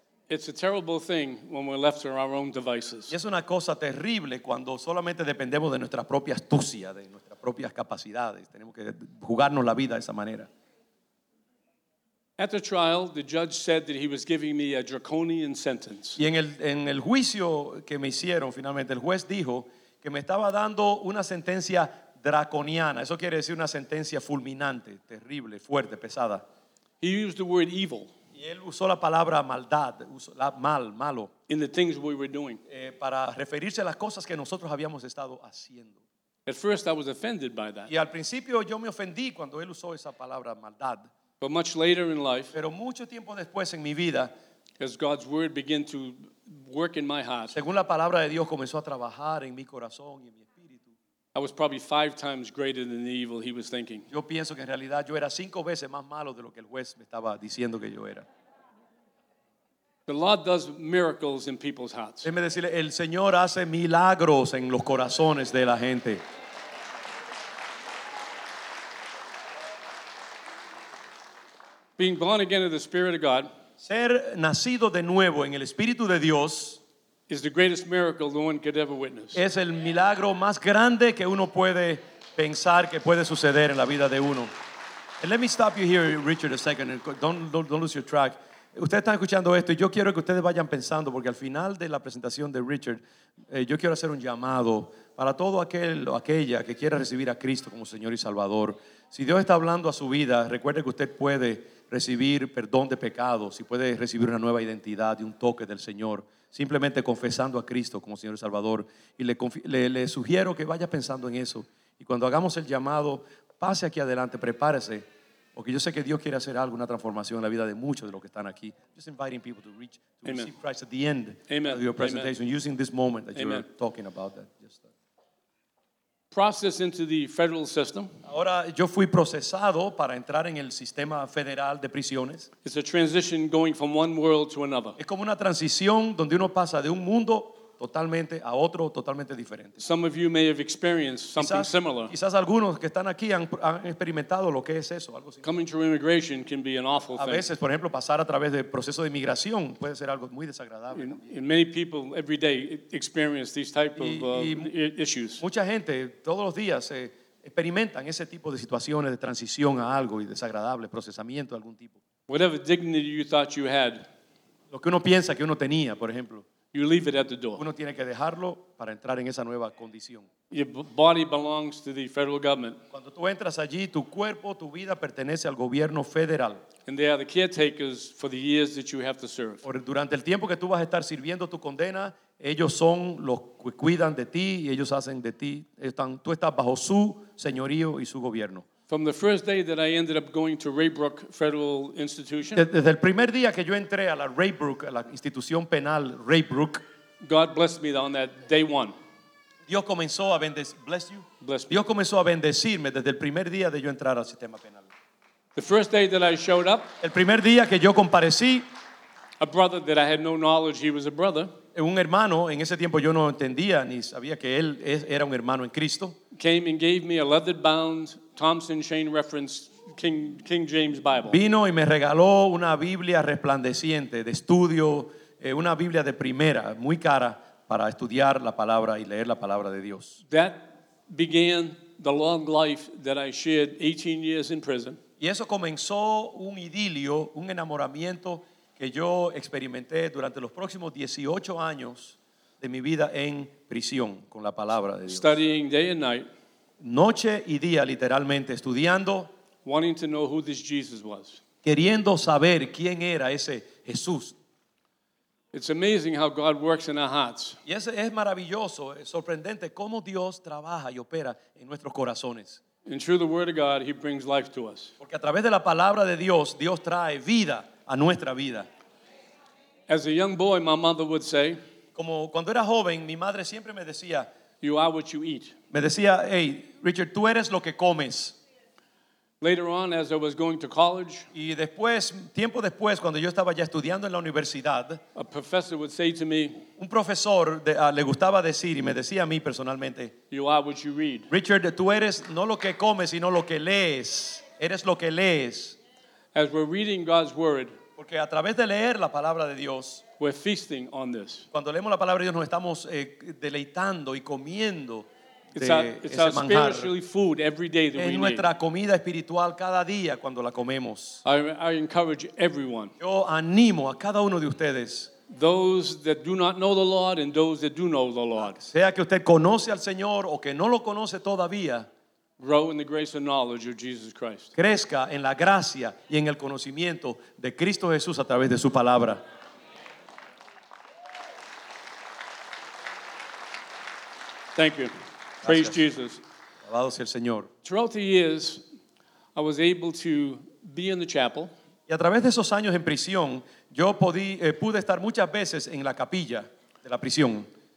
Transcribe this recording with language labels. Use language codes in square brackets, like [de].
[en] It's a terrible thing when we're left to our own devices. [es] Y es una cosa terrible cuando solamente dependemos de nuestra propia astucia, de nuestras propias capacidades. Tenemos que jugarnos la vida de esa manera. [en] At the trial, the judge said that he was giving me a draconian sentence. [es] Y en el juicio que me hicieron, finalmente el juez dijo que me estaba dando una sentencia draconiana. Eso quiere decir una sentencia fulminante, terrible, fuerte, pesada. [en] He used the word evil. [es] Y él usó la palabra maldad, malo. [en] In the things we were doing. [es] Para referirse a las cosas que nosotros habíamos estado haciendo. [en] At first, I was offended by that. [es] Y al principio yo me ofendí cuando él usó esa palabra maldad. [en] But much later in life, [es] pero mucho tiempo después en mi vida, [en] as God's word began to work in my heart, [es] según la palabra de Dios comenzó a trabajar en mi corazón y en mi espíritu, [en] I was probably five times greater than the evil he was thinking. [es] Yo pienso que en realidad yo era cinco veces más malo de lo que el juez me estaba diciendo que yo era. [en] The Lord does miracles in people's hearts. [es] Déjeme decirle, el Señor hace milagros en los corazones de la gente. [en] Being born again of the Spirit of God, [es] ser nacido de nuevo en el Espíritu de Dios, [en] is the greatest miracle no one could ever witness. [es] Es el milagro más grande que uno puede pensar que puede suceder en la vida de uno. [en] And let me stop you here, Richard, a second. Don't lose your track. [es] Ustedes están escuchando esto y yo quiero que ustedes vayan pensando porque al final de la presentación de Richard, yo quiero hacer un llamado para todo aquel o aquella que quiera recibir a Cristo como Señor y Salvador. Si Dios está hablando a su vida, recuerde que usted puede recibir perdón de pecados y puede recibir una nueva identidad y un toque del Señor simplemente confesando a Cristo como Señor y Salvador. Y le sugiero que vaya pensando en eso. Y cuando hagamos el llamado, pase aquí adelante, prepárese, porque yo sé que Dios quiere hacer algo, una transformación en la vida de muchos de los que están aquí. [en] Just inviting people to reach to Amen. Receive Christ at the end Amen. Of your presentation, Amen. Using this moment that Amen. You're talking about. That just that. Process into the federal system. [es] Ahora yo fui procesado para entrar en el sistema federal de prisiones. [en] It's a transition going from one world to another. [es] Es como una transición donde uno pasa de un mundo totalmente a otro totalmente diferente. [en] Some of you may have experienced something [es] quizás, [en] similar. [es] Quizás algunos que están aquí han experimentado lo que es eso, algo similar. [en] Coming through immigration can be an awful thing. [es] A veces, por ejemplo, pasar a través del proceso de inmigración puede ser algo muy desagradable. [en] And many people every day experience these type of issues. [es] Mucha gente todos los días experimentan ese tipo de situaciones de transición a algo y desagradable, procesamiento de algún tipo. [en] Whatever dignity you thought you had. [es] Lo que uno piensa que uno tenía, por ejemplo, [en] you leave it at the door. [es] Uno tiene que dejarlo para entrar en esa nueva condición. [en] Your body belongs to the federal government. [es] Cuando tú entras allí, tu cuerpo, tu vida pertenece al gobierno federal. [en] And they are the caretakers for the years that you have to serve. [es] Por durante el tiempo que tú vas a estar sirviendo tu condena, ellos son los que cuidan de ti y ellos hacen de ti. Están, tú estás bajo su señorío y su gobierno. [en] From the first day that I ended up going to Raybrook Federal Institution. [es] Desde el primer día que yo entré a la Raybrook, a la institución penal Raybrook. [en] God blessed me on that day one. [es] Dios comenzó a bendecir. [en] Bless you. Bless me. [es] Dios comenzó a bendecirme desde el primer día de yo entrar al sistema penal. [en] The first day that I showed up. [es] El primer día que yo comparecí. [en] A brother that I had no knowledge he was a brother. [es] Un hermano, en ese tiempo yo no entendía ni sabía que él era un hermano en Cristo. [en] Came and gave me a leather bound Thompson Shane reference King James Bible. [es] Vino y me regaló una Biblia resplandeciente de estudio, una Biblia de primera, muy cara para estudiar la palabra y leer la palabra de Dios. [en] That began the long life that I shared 18 years in prison. [es] Y eso comenzó un idilio, un enamoramiento que yo experimenté durante los próximos 18 años de mi vida en prisión con la palabra de Dios. [en] Studying day and night. [es] Noche y día, literalmente, estudiando. [en] Wanting to know who this Jesus was. [es] Queriendo saber quién era ese Jesús. [en] It's amazing how God works in our hearts. [es] Y es maravilloso, es sorprendente cómo Dios trabaja y opera en nuestros corazones. [en] And through the Word of God, He brings life to us. [es] Porque a través de la palabra de Dios, Dios trae vida a nuestra vida. [en] As a young boy, my mother would say. [es] Como cuando era joven, mi madre siempre me decía. [en] You are what you eat. [es] Me decía, hey, Richard, tú eres lo que comes. [en] Later on, as I was going to college, [es] y después, tiempo después, cuando yo estaba ya estudiando en la universidad, [en] a professor would say to me, [es] un profesor le gustaba decir y me decía a mí personalmente, [en] you are what you read. [es] Richard, tú eres no lo que comes, sino lo que lees. Eres lo que lees. [en] As we're reading God's word, [es] porque a través de leer la palabra de Dios, [en] we're feasting on this. [es] Cuando leemos la palabra de Dios, nos estamos deleitando y comiendo [en] it's our spiritual food every day that we need. [es] Es nuestra comida espiritual cada día cuando la comemos. [en] I encourage everyone. [es] Yo animo a cada uno de ustedes. [en] Those that do not know the Lord and those that do know the Lord. [es] Sea que usted conoce al Señor o que no lo conoce todavía. [en] Grow in the grace and knowledge of Jesus Christ. [es] Crezca en la gracia y en el conocimiento de Cristo Jesús a través de su palabra. [en] Thank you. Praise [es] Gracias. [en] Jesus. [es] Alabado sea el Señor. [en] Throughout the years, I was able to be in the chapel. [es] Y a través de esos años en prisión, yo pude estar muchas veces en la capilla de la prisión.